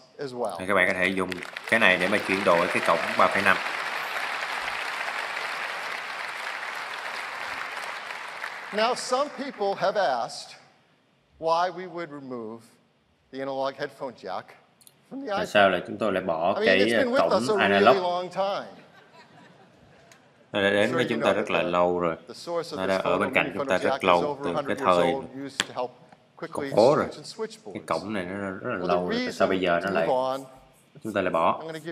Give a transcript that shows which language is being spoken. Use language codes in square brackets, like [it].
[vi] Thì các bạn có thể dùng cái này để mà chuyển đổi cái cổng 3.5. [en] Now some people have asked why we would remove the analog headphone jack from the iPhone. [vi] Sao lại chúng tôi lại bỏ cái cổng analog? Nó đã đến với chúng ta rất là lâu rồi. Nó đã ở bên cạnh chúng ta rất lâu, từ cái thời khủng bố rồi. Cái cổng này nó rất là lâu rồi. Tại sao bây giờ nó lại chúng ta lại bỏ?